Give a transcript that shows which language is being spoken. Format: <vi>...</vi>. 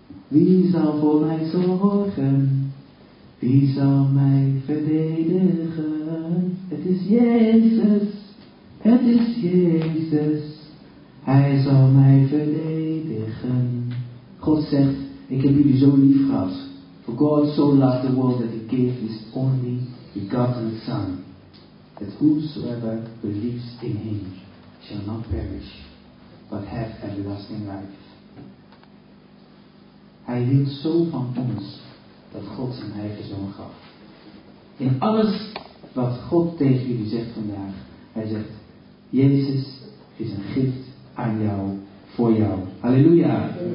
<nl>Wie zal voor mij zorgen? Wie zal mij verdedigen? Het is Jezus. Het is Jezus. Hij zal mij verdedigen. God zegt, ik heb jullie zo lief gehad.</nl> <en>For God so loved the world that he gave his only begotten son. That whosoever believes in him shall not perish, but have everlasting life.</en> <nl>Hij hield zo van ons, dat God zijn eigen zoon gaf. In alles wat God tegen jullie zegt vandaag, hij zegt, Jezus is een gift aan jou, voor jou. Halleluja.</nl>